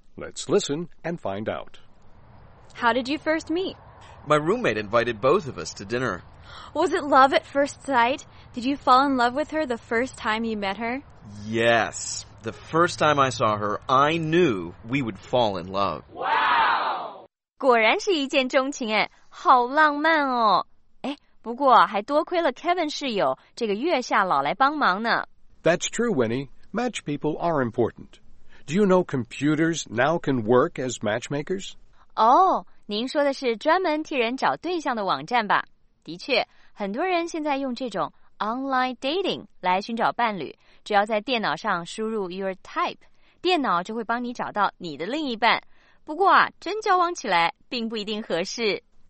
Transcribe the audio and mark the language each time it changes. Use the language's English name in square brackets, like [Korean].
[English] Let's listen and find out. How did you first meet? My roommate invited both of us to dinner. Was it love at first sight? Did you fall in love with her the first time you met her? Yes. The first time I saw her, I knew we would fall in love. Wow! [Chinese] 果然是一见钟情哎，好浪漫哦。哎，不过还多亏了 Kevin 室友这个月下老来帮忙呢。 [English] That's true, Winnie. Match people are important. Do you know computers now can work as matchmakers? [Chinese] Oh, 您说的是专门替人找对象的网站吧？的确，很多人现在用这种 online dating 来寻找伴侣，只要在电脑上输入 your type, 电脑就会帮你找到你的另一半。不过啊，真交往起来并不一定合适。